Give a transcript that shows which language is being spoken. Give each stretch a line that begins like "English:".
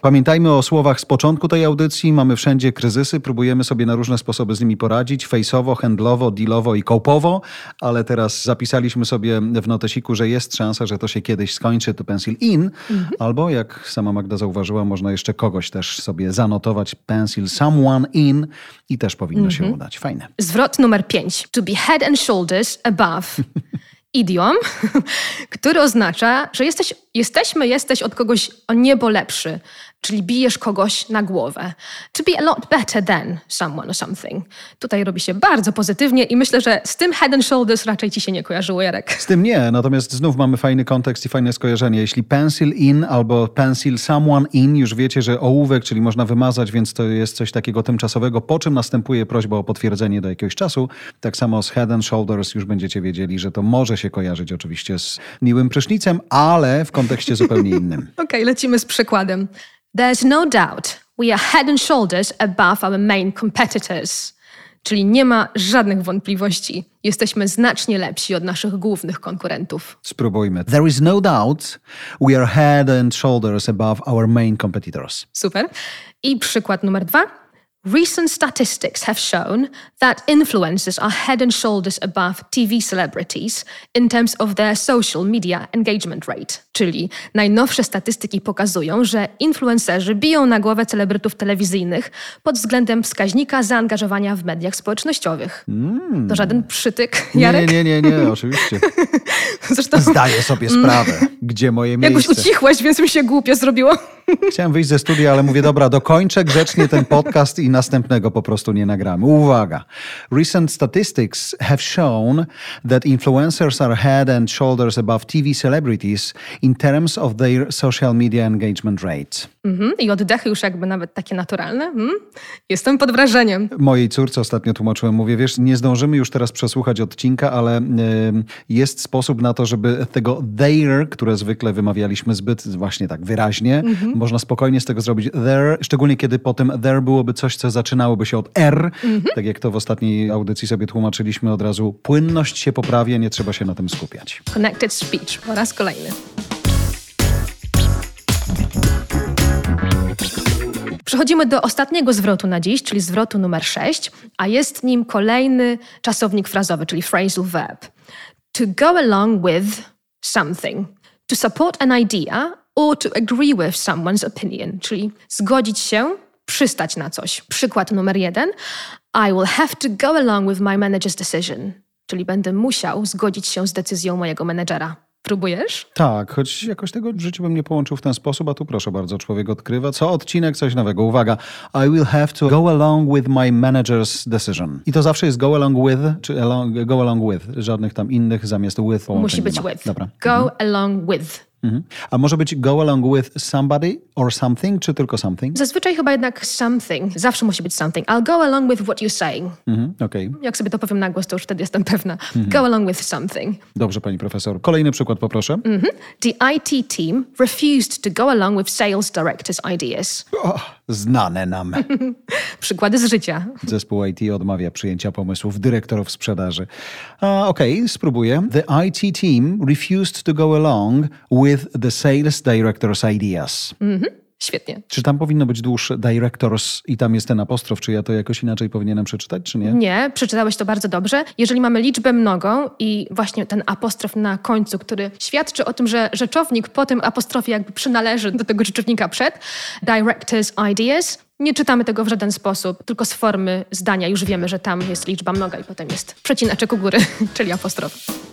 Polish: Pamiętajmy o słowach z początku tej audycji. Mamy wszędzie kryzysy, próbujemy sobie na różne sposoby z nimi poradzić, face'owo, handlowo, dealowo i kołpowo, ale teraz zapisaliśmy sobie w notesiku, że jest szansa, że to się kiedyś skończy, to pencil in, albo jak sama Magda zauważyła, można jeszcze kogoś też sobie zanotować, pencil someone in i też powinno się udać. Fajne. Zwrot numer 5.
English: To be head and shoulders above.
Polish: Idiom, który oznacza, że jesteś od kogoś o niebo lepszy, czyli bijesz kogoś na głowę.
English: To be a lot better than someone or something.
Polish: Tutaj robi się bardzo pozytywnie i myślę, że z tym head and shoulders raczej ci się nie kojarzyło, Jarek. Z tym nie, natomiast znów mamy fajny kontekst i fajne skojarzenie. Jeśli pencil in albo pencil someone in, już wiecie, że ołówek, czyli można wymazać, więc to jest coś takiego tymczasowego, po czym następuje prośba o potwierdzenie do jakiegoś czasu. Tak samo z head and shoulders już będziecie wiedzieli, że to może się kojarzyć oczywiście z miłym prysznicem, ale w kontekście zupełnie innym. Okej, lecimy z przykładem.
English: There's no doubt we are head and shoulders above our main competitors.
Polish: Czyli nie ma żadnych wątpliwości. Jesteśmy znacznie lepsi od naszych głównych konkurentów. Spróbujmy.
English: There is no doubt we are head and shoulders above our main competitors.
Polish: Super. I przykład numer dwa.
English: Recent statistics have shown that influencers are head and shoulders above TV celebrities in terms of their social media engagement rate.
Polish: Czyli najnowsze statystyki pokazują, że influencerzy biją na głowę celebrytów telewizyjnych pod względem wskaźnika zaangażowania w mediach społecznościowych. To żaden przytyk, Jarek? Nie, oczywiście. Zresztą... Zdaję sobie sprawę, gdzie moje miejsce. Jakbyś ucichłeś, więc mi się głupio zrobiło. Chciałem wyjść ze studia, ale mówię, dobra, dokończę grzecznie ten podcast i następnego po prostu nie nagramy. Uwaga!
English: Recent statistics have shown that influencers are head and shoulders above TV celebrities in terms of their social media engagement rate. Mm-hmm.
Polish: I oddechy już jakby nawet takie naturalne. Jestem pod wrażeniem. Mojej córce ostatnio tłumaczyłem, mówię, wiesz, nie zdążymy już teraz przesłuchać odcinka, ale jest sposób na to, żeby tego their, które zwykle wymawialiśmy zbyt właśnie tak wyraźnie, można spokojnie z tego zrobić there, szczególnie kiedy potem there byłoby coś, co zaczynałoby się od R, tak jak to w ostatniej audycji sobie tłumaczyliśmy, od razu płynność się poprawia, nie trzeba się na tym skupiać. Connected speech, po raz kolejny. Przechodzimy do ostatniego zwrotu na dziś, czyli zwrotu numer 6, a jest nim kolejny czasownik frazowy, czyli phrasal verb.
English: To go along with something. To support an idea or to agree with someone's opinion.
Polish: Czyli zgodzić się, przystać na coś. Przykład numer 1.
English: I will have to go along with my manager's decision.
Polish: Czyli będę musiał zgodzić się z decyzją mojego menedżera. Próbujesz? Tak, choć jakoś tego w życiu bym nie połączył w ten sposób, a tu proszę bardzo, człowiek odkrywa. Co odcinek, coś nowego. Uwaga.
English: I will have to go along with my manager's decision.
Polish: I to zawsze jest go along with, czy along, go along with. Żadnych tam innych zamiast with połączeń. Musi być with. Dobra.
English: Go along with.
Polish: A może być go along with somebody or something, czy tylko something? Zazwyczaj chyba jednak something. Zawsze musi być something.
English: I'll go along with what you're saying. Okay.
Polish: Jak sobie to powiem na głos, to już wtedy jestem pewna.
English: Go along with something.
Polish: Dobrze, pani profesor. Kolejny przykład poproszę.
English: The IT team refused to go along with sales director's ideas.
Polish: Oh, znane nam. Przykłady z życia. Zespół IT odmawia przyjęcia pomysłów dyrektorów sprzedaży. Okej, spróbuję.
English: The IT team refused to go along with the sales director's ideas.
Polish: Świetnie. Czy tam powinno być dłuższe directors i tam jest ten apostrof, czy ja to jakoś inaczej powinienem przeczytać, czy nie? Nie, przeczytałeś to bardzo dobrze. Jeżeli mamy liczbę mnogą i właśnie ten apostrof na końcu, który świadczy o tym, że rzeczownik po tym apostrofie jakby przynależy do tego rzeczownika przed, director's ideas, nie czytamy tego w żaden sposób, tylko z formy zdania już wiemy, że tam jest liczba mnoga i potem jest przecinaczek u góry, czyli apostrof.